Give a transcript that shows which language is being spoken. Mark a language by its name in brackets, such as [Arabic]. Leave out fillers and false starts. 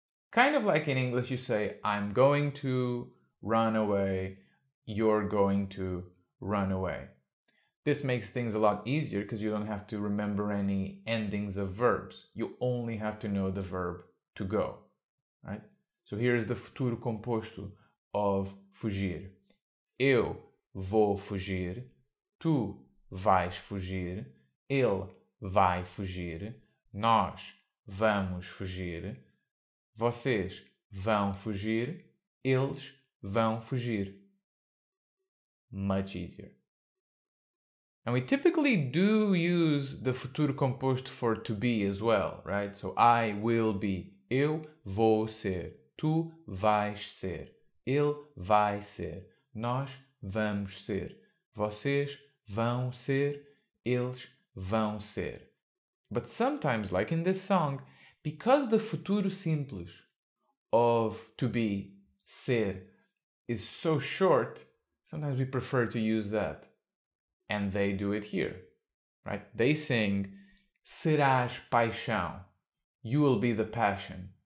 [English] Kind of like in English, you say, I'm going to run away, you're going to run away. This makes things a lot easier because you don't have to remember any endings of verbs. You only have to know the verb to go, right? So here is the futuro composto of fugir. [Portuguese] Eu vou fugir, tu vais fugir, ele vai fugir, nós vamos fugir, vocês vão fugir, eles vão fugir. [English] Much easier. And we typically do use the futuro composto for to be as well, right? [Portuguese] So I will be, eu vou ser, tu vais ser, ele vai ser, nós vamos ser, vocês vão ser, eles vão ser. [English] But sometimes, like in this song, because the futuro simples of to be, ser, is so short, sometimes we prefer to use that. And they do it here, right? They sing, serás paixão, you will be the passion.